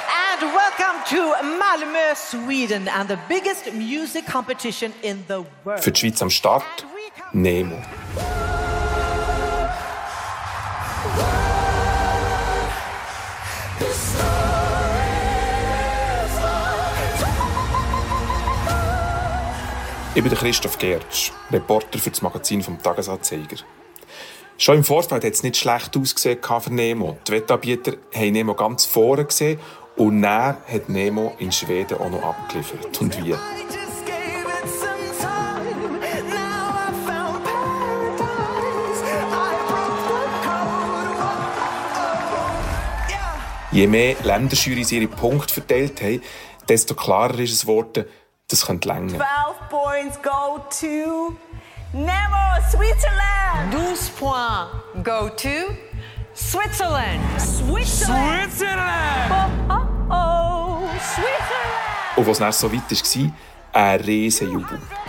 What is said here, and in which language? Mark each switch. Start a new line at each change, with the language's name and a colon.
English: And welcome to Malmö, Sweden, and the biggest music competition in the world.
German: Für die Schweiz am Start, Nemo. Ich bin Christoph Gertsch, Reporter für das Magazin vom Tagesanzeiger. Schon im Vorfeld hat es nicht schlecht ausgesehen für Nemo. Die Wettanbieter haben Nemo ganz vorne gesehen und dann hat Nemo in Schweden auch noch abgeliefert. Und wie? Je mehr Länderjuries ihre Punkte verteilt haben, desto klarer ist es geworden, das könnte länger.
English: 12 Points go to Nemo, Switzerland! 12 points go to Switzerland! Switzerland! Switzerland! Oh, oh, oh, Switzerland!
German: Und was nach so weit war, ein Riesenjubel.